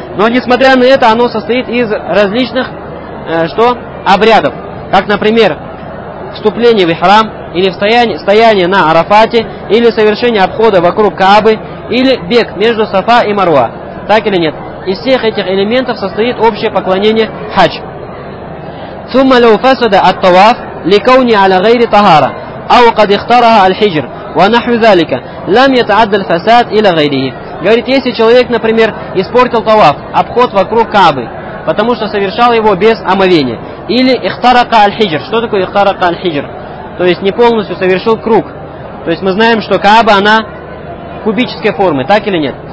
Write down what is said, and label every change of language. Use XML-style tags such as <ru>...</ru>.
<ru>Но, несмотря на это, оно состоит из различных, что? Обрядов. Как, например, вступление в ихрам, или стояние на Арафате, или совершение обхода вокруг Каабы, или бег между Сафа и Маруа. Так или нет? Из всех этих элементов состоит общее поклонение хадж.</ru> <ar>«Цумма лау фасада ат таваф». لكوني على غير طهارة أو قد اختارها الحجر ونحو ذلك لم يتعدى الفساد إلى غيره.</ar> <ru>Говорит, если человек, например, испортил таваф, обход вокруг Каабы, потому что совершал его без омовения, или ихтарака аль-хиджр. Что такое ихтарака аль-хиджр? То есть не полностью совершил круг. То есть мы знаем, что Кааба, она кубической формы, так или нет?</ru>